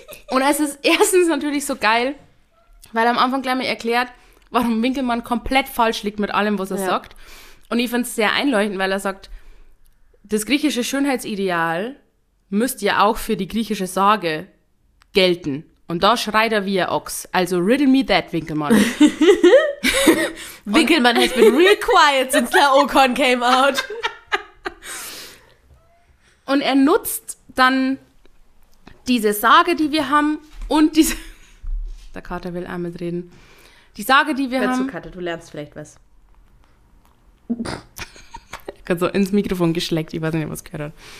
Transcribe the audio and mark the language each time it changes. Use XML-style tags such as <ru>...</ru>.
<de>Und es ist erstens natürlich so geil, weil er am Anfang gleich mal erklärt, warum Winkelmann komplett falsch liegt mit allem, was er sagt. Und ich finde es sehr einleuchtend, weil er sagt, das griechische Schönheitsideal müsst ihr auch für die griechische Sage gelten. Und da schreit er wie ein Ochs.</de> <en>Also riddle me that, Winkelmann. Winkelmann has been real quiet since Laocoon came out.</en> <de>Und er nutzt dann diese Sage, die wir haben und diese... Der Kater will einmal reden. Die Sage, die wir haben... Hör zu, Kater, du lernst vielleicht was. Ich hab so ins Mikrofon geschleckt, ich weiß nicht, was gehört hat.</de>